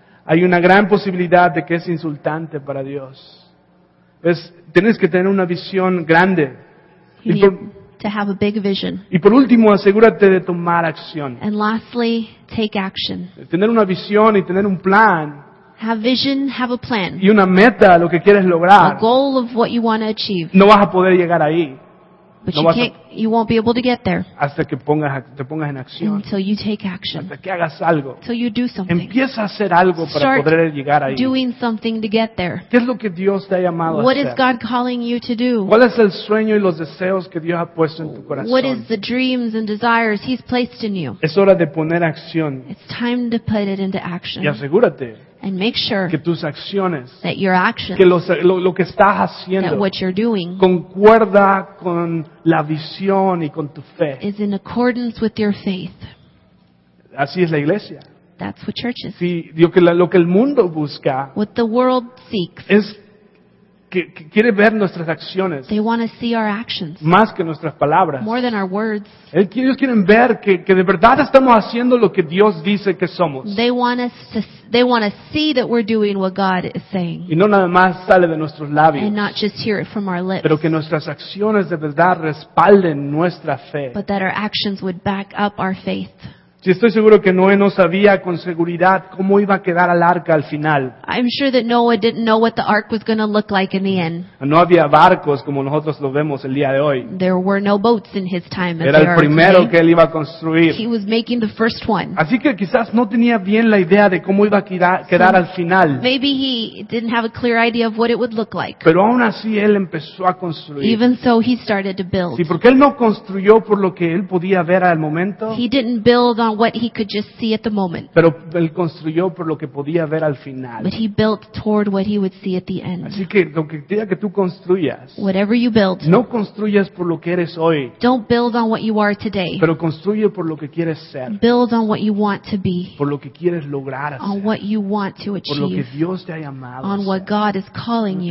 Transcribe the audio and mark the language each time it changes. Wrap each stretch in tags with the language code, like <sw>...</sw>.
<es>Hay una gran posibilidad de que es insultante para Dios. Es, tienes que tener una visión grande.</es> <en>To have a big vision.</en> <es>Y por último, asegúrate de tomar acción.</es> <en>And lastly, take action.</en> <es>Tener una visión y tener un plan.</es> <en>Have vision, have a plan.</en> <es>Y una meta, lo que quieres lograr.</es> <en>A goal of what you want to achieve.</en> <es>No vas a poder llegar ahí.</es> <en>But you won't be able to get there.</en> <es>Hasta que te pongas en acción.</es> <en>Until you take action.</en> <es>Hasta que hagas algo.</es> <en>Until you do something.</en> <es>Empieza a hacer algo para poder llegar ahí.</es> <en>Start doing something to get there.</en> <es>¿Qué es lo que Dios te ha llamado a hacer?</es> <en>What is God calling you to do?</en> <es>¿Cuál es el sueño y los deseos que Dios ha puesto en tu corazón?</es> <en>What is the dreams and desires He's placed in you?</en> <es>Es hora de poner acción.</es> <en>It's time to put it into action.</en> <es>Y asegúrate.</es> <en>And make sure</en> <es>que tus acciones,</es> <en>that your actions,</en> <es>que lo que estás haciendo,</es> <en>that what you're doing,</en> <es>concuerda con la visión y con tu fe.</es> <en>Is in accordance with your faith.</en> <es>Así es la iglesia.</es> <en>That's what church is.</en> <es>Sí, lo que el mundo busca,</es> <en>what the world seeks,</en> <es>es que quiere ver nuestras acciones,</es> <en>they want to see our actions,</en> <es>más que nuestras palabras,</es> <en>more than our words.</en> <es>Ellos quieren ver que de verdad estamos haciendo lo que Dios dice que somos.</es> <en>They want to see that we're doing what God is saying.</en> <es>Y no nada más sale de nuestros labios.</es> <en>And not just hear it from our lips.</en> <es>Pero que nuestras acciones de verdad respalden nuestra fe.</es> <en>But that our actions would back up our faith.</en> <es>Sí, estoy seguro que Noé no sabía con seguridad cómo iba a quedar el arca al final.</es> <en>I'm sure that Noah didn't know what the ark was going to look like in the end.</en> <es>No había barcos como nosotros lo vemos el día de hoy.</es> <en>There were no boats in his time.</en> <es>Era el primero que él iba a construir.</es> <en>He was making the first one.</en> <es>Así que quizás no tenía bien la idea de cómo iba a quedar al final.</es> <en>Maybe he didn't have a clear idea of what it would look like.</en> <es>Pero aún así él empezó a construir.</es> <en>Even so, he started to build.</en> <es>Sí, porque él no construyó por lo que él podía ver al momento.</es> <en>He didn't build on what he could just see at the moment.</en> <es>Pero él construyó por lo que podía ver al final.</es> <en>But he built toward what he would see at the end.</en> <es>Así que lo que quiera que tú construyas,</es> <en>whatever you build,</en> <es>no construyas por lo que eres hoy.</es> <en>Don't build on what you are today.</en> <es>Pero construye por lo que quieres ser.</es> <en>Build on what you want to be.</en> <es>Por lo que quieres lograr hacer.</es> <en>On what you want to achieve.</en> <es>Por lo que Dios te ha llamado.</es> <en>On what God is calling you.</en>